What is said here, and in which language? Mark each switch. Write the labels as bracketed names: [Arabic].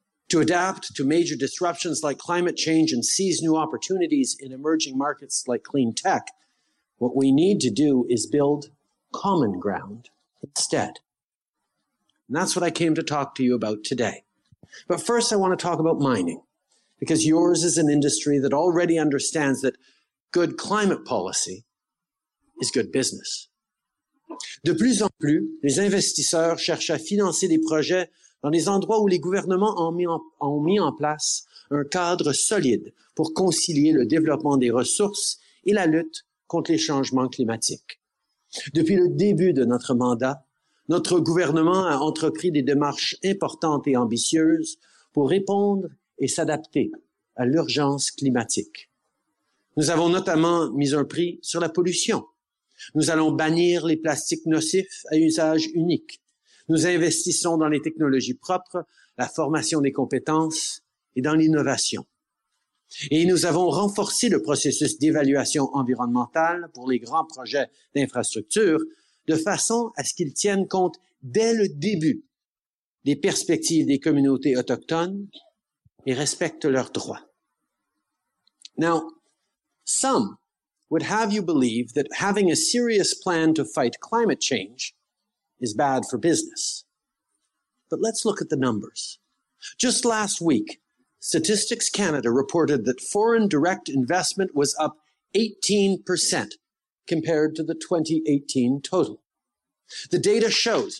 [English] To adapt to major disruptions like climate change and seize new opportunities in emerging markets like clean tech, what we need to do is build common ground instead. And that's what I came to talk to you about today. But first, I want to talk about mining, because yours is an industry that already understands that good climate policy is good business. [French] De plus en plus, les investisseurs cherchent à financer des projets dans des endroits où les gouvernements ont mis en place un cadre solide pour concilier le développement des ressources et la lutte contre les changements climatiques. Depuis le début de notre mandat, notre gouvernement a entrepris des démarches importantes et ambitieuses pour répondre et s'adapter à l'urgence climatique. Nous avons notamment mis un prix sur la pollution. Nous allons bannir les plastiques nocifs à usage unique. Nous investissons dans les technologies propres, la formation des compétences et dans l'innovation. Et nous avons renforcé le processus d'évaluation environnementale pour les grands projets d'infrastructure de façon à ce qu'ils tiennent compte dès le début des perspectives des communautés autochtones et respectent leurs droits. [English] Now, some would have you believe that having a serious plan to fight climate change is bad for business. But let's look at the numbers. Just last week, Statistics Canada reported that foreign direct investment was up 18% compared to the 2018 total. The data shows.